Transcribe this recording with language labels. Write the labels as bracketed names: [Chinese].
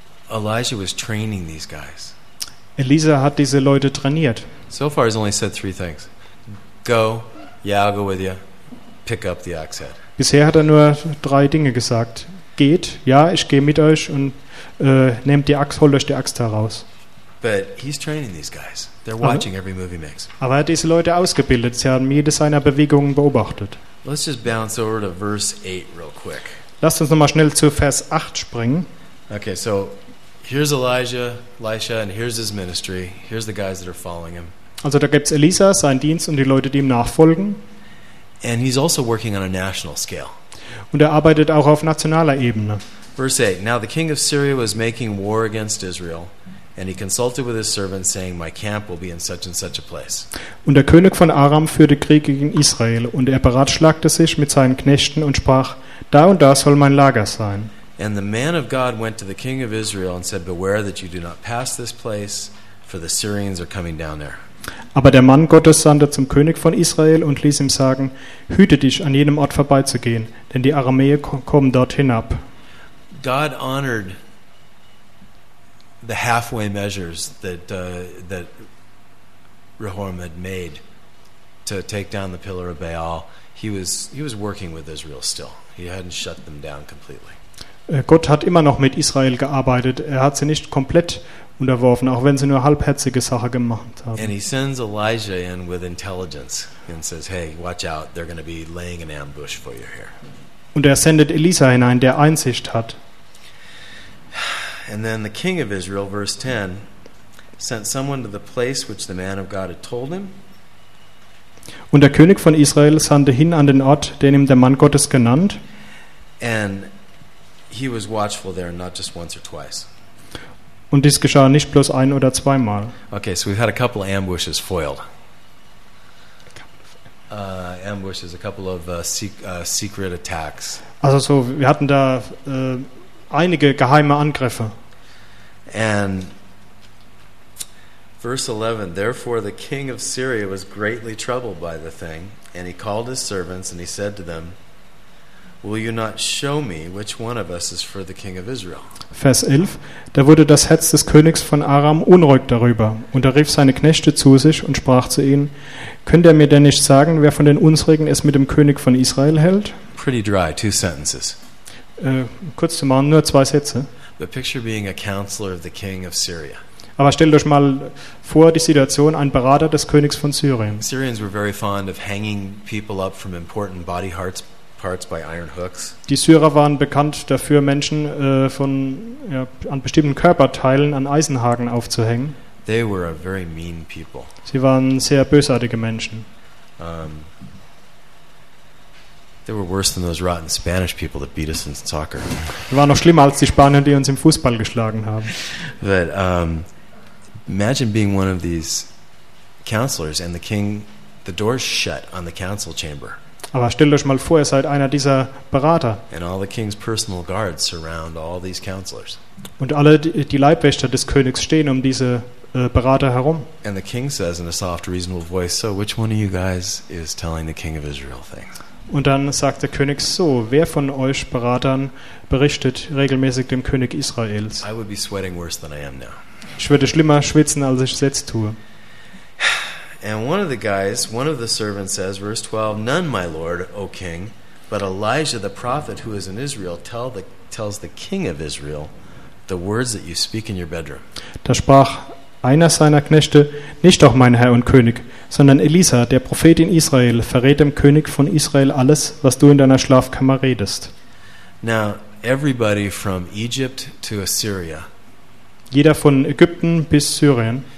[English] Elijah was training these guys. [German] Elisa hat diese Leute trainiert. [English] So far he's only said three things. Go, yeah, I'll go with you. Pick up the axe head. [German] Bisher hat er nur drei Dinge gesagt. Geht, ja, ich gehe mit euch und nehmt die Axt, holt euch die Axt heraus. [English] But he's training these guys. They're watching every move he makes. [German] Aber er hat diese Leute ausgebildet. Sie haben jede seiner Bewegungen beobachtet. [English] Let's just bounce over to verse 8 real quick. [German] Lasst uns nochmal schnell zu Vers 8 springen. [English] Okay, so here's Elisha, and here's his ministry. Here's the guys that are following him. [German] Also da gibt's Elisa, seinen Dienst und die Leute, die ihm nachfolgen. [English] And he's also working on a national scale. [German] Und er arbeitet auch auf nationaler Ebene. [English] Verse 8. Now the king of Syria was making war against Israel. And he consulted with his servants, saying, "My camp will be in such and such a place." [German] Und der König von Aram führte Krieg gegen Israel, und er beratschlagte sich mit seinen Knechten und sprach: Da und da soll mein Lager sein. [English] And the man of God went to the king of Israel and said, "Beware that you do not pass this place, for the Syrians are coming down there." [German] Aber der Mann Gottes sandte zum König von Israel und ließ ihm sagen: Hüte dich, an jenem Ort vorbeizugehen, denn die Aramäer kommen dort hinab. [English] God honored the halfway measures that Rehoram had made to take down the pillar of Baal. He was working with Israel still. He hadn't shut them down completely. [German] Gott hat immer noch mit Israel gearbeitet. Er hat sie nicht komplett unterworfen, auch wenn sie nur halbherzige Sache gemacht haben. [English] And he sends Elijah in with intelligence and says, "Hey, watch out, they're going to be laying an ambush for you here." [German] Und er sendet Elisa hinein, der Einsicht hat. [English] And then the king of Israel, verse 10, sent someone to the place which the man of God had told him. [German] Und der König von Israel sandte hin an den Ort, den ihm der Mann Gottes genannt. [English] And he was watchful there, not just once or twice. [German] Und dies geschah nicht bloß ein oder zweimal. [English] Okay, so we've had a couple of ambushes foiled. Ambushes, a couple of secret attacks. [German] Also so, wir hatten da einige geheime Angriffe. [English] And verse 11, therefore the king of Syria was greatly troubled by the thing, and he called his servants and he said to them, will you not show me which one of us is for the king of Israel? [German] Vers 11, da wurde das Herz des Königs von Aram unruhig darüber, und er rief seine Knechte zu sich und sprach zu ihnen, könnt ihr mir denn nicht sagen, wer von den Unsrigen es mit dem König von Israel hält? [English] Pretty dry, two sentences. [German] Kurz zu machen, nur zwei Sätze. [English] The picture being a counselor of the king of Syria. [German] Aber stellt euch mal vor, die Situation, ein Berater des Königs von Syrien. [English] Syrians were very fond of hanging people up from important body parts. By iron hooks. [German] Die Syrer waren bekannt dafür, Menschen an bestimmten Körperteilen an Eisenhaken aufzuhängen. [English] They were a very mean people. [German] Sie waren sehr bösartige Menschen. [English] They were worse than those rotten Spanish people that beat us in soccer. [German] Sie waren noch schlimmer als die Spanier, die uns im Fußball geschlagen haben. [English] But imagine being one of these counselors and the king, the door shut on the council chamber. [German] Aber stellt euch mal vor, ihr seid einer dieser Berater. [English] And all the king's personal guards surround all these counselors. [German] Und alle die Leibwächter des Königs stehen um diese Berater herum. [English] And the king says in a soft, reasonable voice, so which one of you guys is telling the king of Israel things? [German] Und dann sagt der König so, wer von euch Beratern berichtet regelmäßig dem König Israels? [English] I would be sweating worse than I am now. [German] Ich würde schlimmer schwitzen, als ich es jetzt tue. [English] And one of the guys, one of the servants says, verse 12, none, my lord, O king, but Elijah the prophet who is in Israel tells the king of Israel the words that you speak in your bedroom. [German] Da sprach einer seiner Knechte, nicht doch mein Herr und König, sondern Elisa, der Prophet in Israel, verrät dem König von Israel alles, was du in deiner Schlafkammer redest. [English] Now, everybody from Egypt to Assyria, [German] jeder von Ägypten bis Syrien,